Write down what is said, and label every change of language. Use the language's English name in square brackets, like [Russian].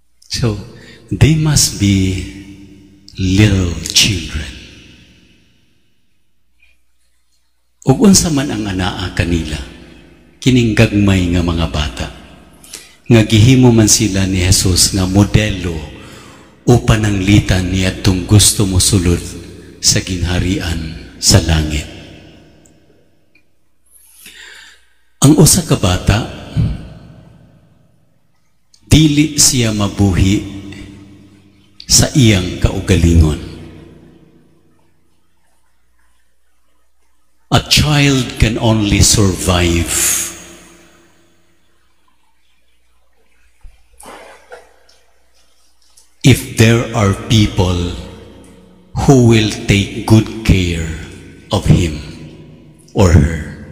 [English] So, they must be little children. [Cebuano] Ug unsa man ang anaa kanila, kining gagmay nga mga bata, nga gihimo man sila ni Jesus nga modelo o pananglitan niya [Filipino] itong gusto mo [Cebuano] sulod sa gingharian sa langit. Ang usa ka bata, dili siya mabuhi sa iyang kaugalingon. [English] A child can only survive if there are people who will take good care of him or her.